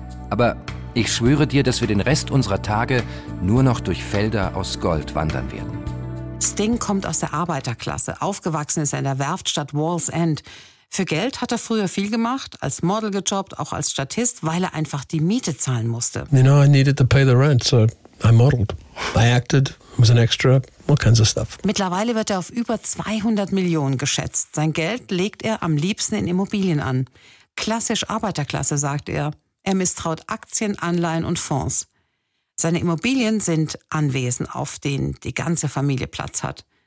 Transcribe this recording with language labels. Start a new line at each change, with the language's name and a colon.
German: Aber ich schwöre dir, dass wir den Rest unserer Tage nur noch durch Felder aus Gold wandern werden. Sting kommt aus der Arbeiterklasse, aufgewachsen ist er in der Werftstadt Wall's End. Für Geld hat er früher viel gemacht, als Model gejobbt, auch als Statist, weil er einfach die Miete zahlen musste.
English: You know, I needed to pay the rent, so I modeled. I acted, was an extra, all kinds of stuff.
German: Mittlerweile wird er auf über 200 Millionen geschätzt. Sein Geld legt er am liebsten in Immobilien an. Klassisch Arbeiterklasse, sagt er. Er misstraut Aktien, Anleihen und Fonds. Seine Immobilien sind Anwesen, auf denen die ganze Familie Platz hat.